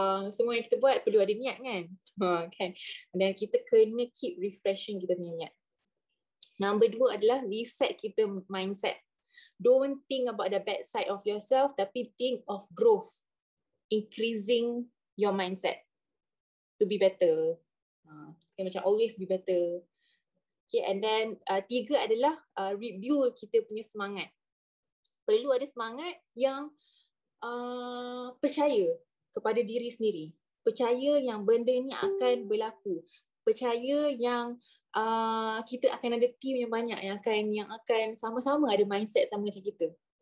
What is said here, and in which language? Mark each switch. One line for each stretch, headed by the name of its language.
Malay: Semua yang kita buat perlu ada niat kan, kan. Dan kita kena
English: keep refreshing
Malay: kita punya niat. Number 2 adalah reset kita mindset.
English: Don't think about the bad side of yourself, tapi think of growth, increasing your mindset to be better. Okay,
Malay: macam
English: always be better. Okay, and then
Malay: 3 adalah review kita punya semangat. Perlu ada semangat yang percaya kepada diri sendiri. Percaya yang benda ni akan berlaku. Percaya yang kita akan ada team yang banyak yang akan sama-sama ada mindset sama macam kita.